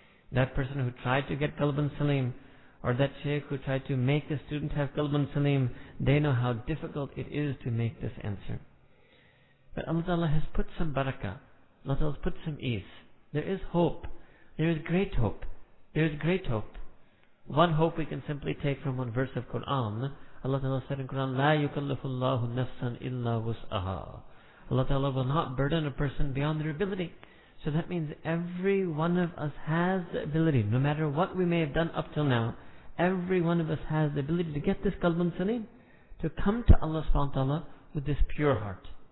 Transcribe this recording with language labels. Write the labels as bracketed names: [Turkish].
[English] That person who tried to get qalbun salim, or that shaykh who tried to make a student have qalbun salim, they know how difficult it is to make this answer. But Allah Ta'ala has put some barakah, Allah Ta'ala has put some ease. There is hope. There is great hope. There is great hope. One hope we can simply take from one verse of Quran. Allah Ta'ala said in Quran, [Arabic] لَا يُكَلِّفُ اللَّهُ نَفْسًا إِلَّا وُسْأَهَا. [English] Allah Ta'ala will not burden a person beyond their ability. So that means every one of us has the ability, no matter what we may have done up till now, every one of us has the ability to get this qalbun salim, to come to Allah subhanahu wa ta'ala with this pure heart.